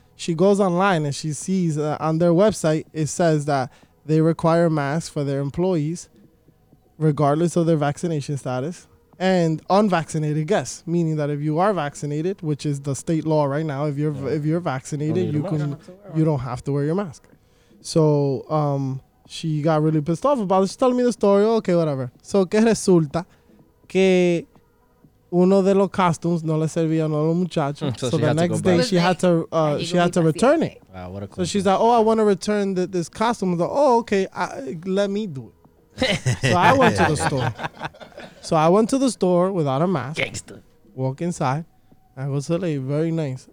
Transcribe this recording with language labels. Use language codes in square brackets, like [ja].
[en] She goes online and she sees on their website, it says that they require masks for their employees, regardless of their vaccination status, and unvaccinated guests. Meaning that if you are vaccinated, which is the state law right now, if you're vaccinated, you don't have to wear your mask. So she got really pissed off about it. She's telling me the story. Okay, whatever. [es] So que resulta que uno de los costumes no le servía a los muchachos. [en] So the next day she had to return it. Wow, what a cool so she's thing. Like, oh, I want to return this costume. I'm like, oh, okay, let me do it. So I went to the store. So I went to the store without a mask. Gangster. Walk inside. I go to the lady, very nice.